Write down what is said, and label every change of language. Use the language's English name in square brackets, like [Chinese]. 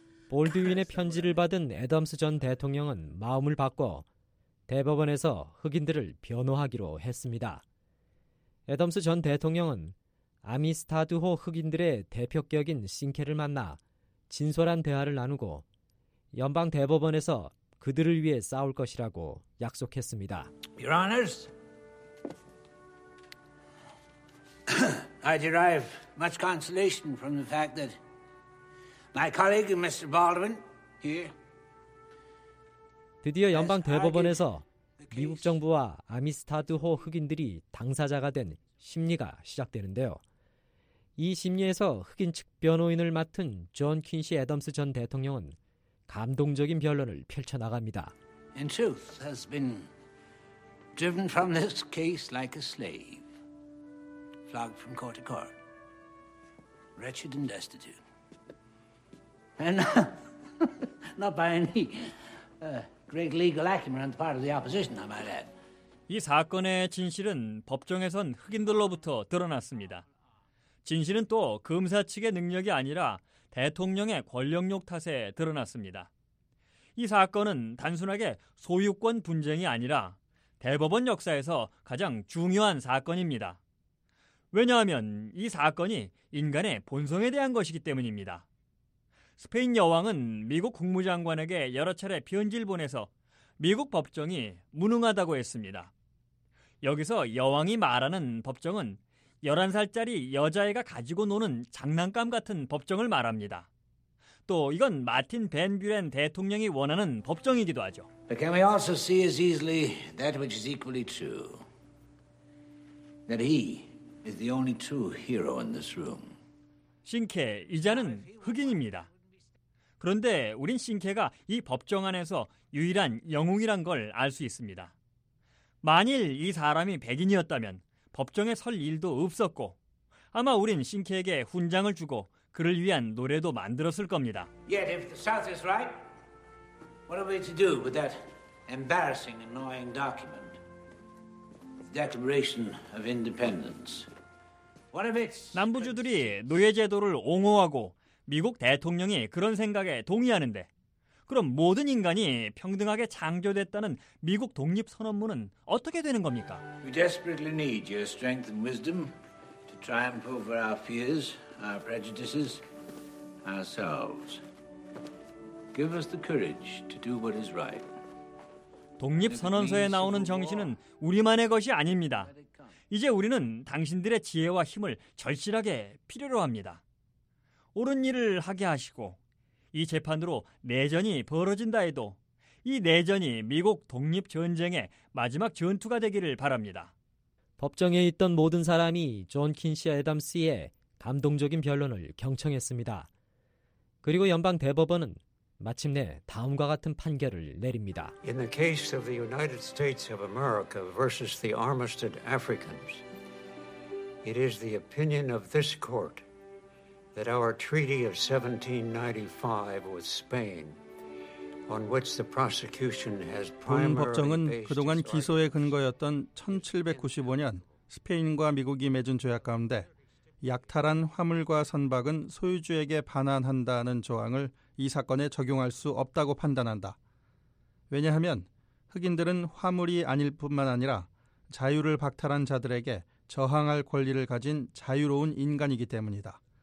[Korean] 볼드윈의 편지를 받은 애덤스 전 대통령은 마음을 바꿔 대법원에서 흑인들을 변호하기로 했습니다. 애덤스 전 대통령은 아미스타드호 흑인들의 대표격인 싱케를 만나 진솔한 대화를 나누고 연방 대법원에서 그들을 위해 싸울 것이라고 약속했습니다. [English] Your Honors, I derive much consolation from the fact that my colleague, Mr. Baldwin, here. [Korean] 드디어 연방 대법원에서 미국 정부와 아미스타드호 흑인들이 당사자가 된 심리가 시작되는데요. 이 심리에서 흑인 측 변호인을 맡은 존 퀸시 애덤스 전 대통령은 감동적인 변론을 펼쳐나갑니다. [English] In truth, has been driven from this case like a slave, flogged from court to court, wretched and destitute. And not by any great legal acumen on the part of the opposition, I might add. [Korean] 이 사건의 진실은 법정에선 흑인들로부터 드러났습니다. 진실은 또 검사 측의 능력이 아니라 대통령의 권력욕 탓에 드러났습니다. 이 사건은 단순하게 소유권 분쟁이 아니라 대법원 역사에서 가장 중요한 사건입니다. 왜냐하면 이 사건이 인간의 본성에 대한 것이기 때문입니다. 스페인 여왕은 미국 국무장관에게 여러 차례 편지를 보내서 미국 법정이 무능하다고 했습니다. 여기서 여왕이 말하는 법정은 11살짜리 여자애가 가지고 노는 장난감 같은 법정을 말합니다. 또 이건 마틴 벤 뷰렌 대통령이 원하는 법정이기도 하죠. [English] But can we also see as easily that which is equally true? That he is the only true hero in this room. [Korean] 싱케, 이자는 흑인입니다. 그런데 우린 싱케가 이 법정 안에서 유일한 영웅이란 걸 알 수 있습니다. 만일 이 사람이 백인이었다면 법정에 설 일도 없었고 아마 우린 싱케에게 훈장을 주고 그를 위한 노래도 만들었을 겁니다. [English] Yet if the South is right, what are we to do with that embarrassing, annoying document? The Declaration of Independence. What if it's... [Korean] 남부주들이 노예 제도를 옹호하고 미국 대통령이 그런 생각에 동의하는데 그럼 모든 인간이 평등하게 창조됐다는 미국 독립선언문은 어떻게 되는 겁니까? [English] We desperately need your strength and wisdom to triumph over our fears, our prejudices, ourselves. Give us the courage to do what is right. [Korean] 독립선언서에 나오는 정신은 우리만의 것이 아닙니다. 이제 우리는 당신들의 지혜와 힘을 절실하게 필요로 합니다. 옳은 일을 하게 하시고 이 재판으로 내전이 벌어진다 해도 이 내전이 미국 독립전쟁의 마지막 전투가 되기를 바랍니다. 법정에 있던 모든 사람이 존 퀸시 애덤스의 감동적인 변론을 경청했습니다. 그리고 연방 대법원은 마침내 다음과 같은 판결을 내립니다. [English] In the case of the United States of America versus the Armistead Africans, it is the opinion of this court that our treaty of 1795 with Spain, on which the prosecution has primarily based. [Korean] 법정은 그동안 기소의 근거였던 1795년 스페인과 미국이 맺은 조약 가운데 약탈한 화물과 선박은 소유주에게 반환한다는 조항을 이 사건에 적용할 수 없다고 판단한다. 왜냐하면 흑인들은 화물이 아닐 뿐만 아니라 자유를 박탈한 자들에게 저항할 권리를 가진 자유로운 인간이기 때문이다.